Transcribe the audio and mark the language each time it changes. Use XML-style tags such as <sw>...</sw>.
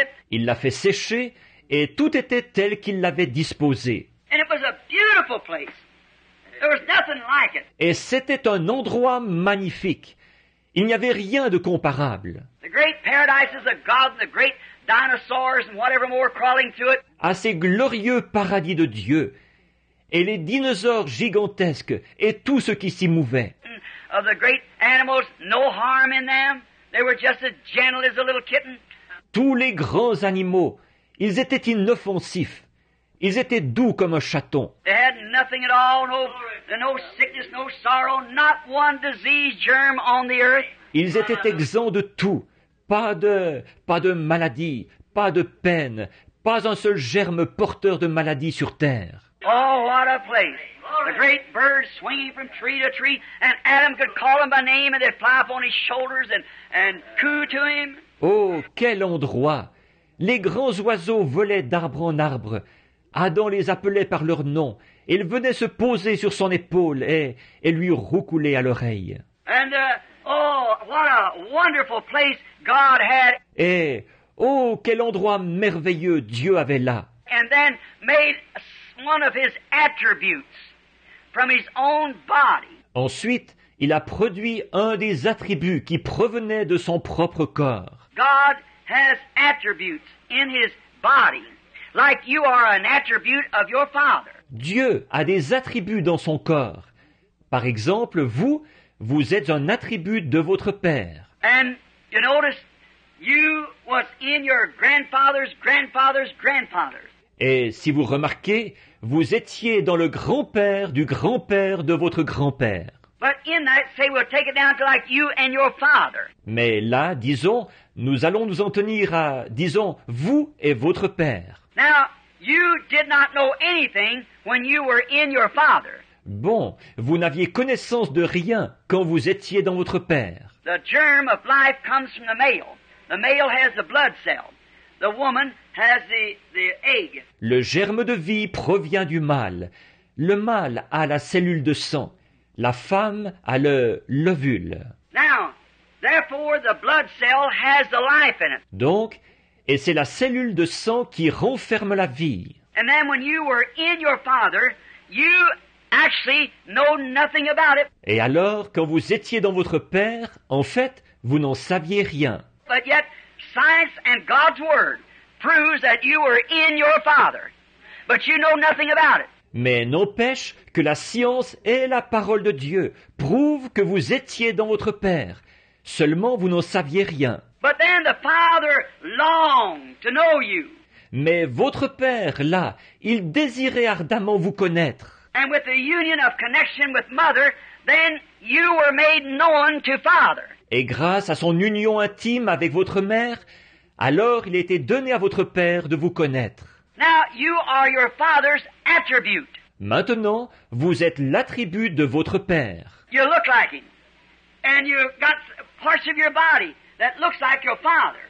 <fr>Il l'a fait sécher et tout était tel qu'il l'avait disposé.</fr> <en>And it was a beautiful place. There was nothing like it.</en> <fr>Et c'était un endroit magnifique. Il n'y avait rien de comparable.</fr> <en>The great paradises of God and the great dinosaurs and whatever more crawling through it.</en> <fr>À ces glorieux paradis de Dieu et les dinosaures gigantesques et tout ce qui s'y mouvait.</fr> <en>Of the great animals, no harm in them. They were just as gentle as a little kitten.</en> <fr>Tous les grands animaux, ils étaient inoffensifs. Ils étaient doux comme un chaton.</fr> <en>They had nothing at all, no sickness, no sorrow, not one disease germ on the earth.</en> <fr>Ils étaient exempts de tout. Pas de maladie, pas de peine, pas un seul germe porteur de maladie sur terre.</fr> <en>Oh, what a place! The great birds swinging from tree to tree, and Adam could call them by name, and they'd fly up on his shoulders and coo to him.</en> <fr>Oh, quel endroit! Les grands oiseaux volaient d'arbre en arbre. Adam les appelait par leur nom. Ils venaient se poser sur son épaule et lui roucoulaient à l'oreille.</fr> <en>And what a wonderful place God had.</en> <fr>Et oh, quel endroit merveilleux Dieu avait là.</fr> <en>And then made one of his attributes from his own body.</en> <fr>Ensuite, il a produit un des attributs qui provenait de son propre corps.</fr> <en>God has attributes in his body. Like you are an attribute of your father.</en> <fr>Dieu a des attributs dans son corps. Par exemple, vous êtes un attribut de votre père.</fr> <en>And you notice you was in your grandfather's grandfather's grandfather.</en> <fr>Et si vous remarquez, vous étiez dans le grand-père du grand-père de votre grand-père.</fr> <en>But in that, say we'll take it down to like you and your father.</en> <fr>Mais là, disons, nous allons nous en tenir à, disons, vous et votre père.</fr> <en>Now, you did not know anything when you were in your father.</en> <fr>Bon, vous n'aviez connaissance de rien quand vous étiez dans votre père.</fr> <en>The germ of life comes from the male. The male has the blood cell. The woman has the egg.</en> <fr>Le germe de vie provient du mâle. Le mâle a la cellule de sang. La femme a l'ovule.</fr> <en>Now, therefore, the blood cell has the life in it.</en> <fr>Donc, et c'est la cellule de sang qui renferme la vie.</fr> <en>And then when you were in your father, you actually know nothing about it.</en> <fr>Et alors, quand vous étiez dans votre père, en fait, vous n'en saviez rien.</fr> <en>But yet, science and God's word proves that you were in your father, but you know nothing about it.</en> <fr>Mais n'empêche que la science et la parole de Dieu prouvent que vous étiez dans votre père. Seulement, vous n'en saviez rien.</fr> <en>But then the father longed to know you.</en> <fr>Mais votre père, là, il désirait ardemment vous connaître.</fr> <en>And with the union of connection with mother, then you were made known to father.</en> <fr>Et grâce à son union intime avec votre mère, alors il était donné à votre père de vous connaître.</fr> <en>Now you are your father's attribute.</en> <fr>Maintenant, vous êtes l'attribut de votre père.</fr> <en>You look like him. And you got parts of your body that looks like your father.</en>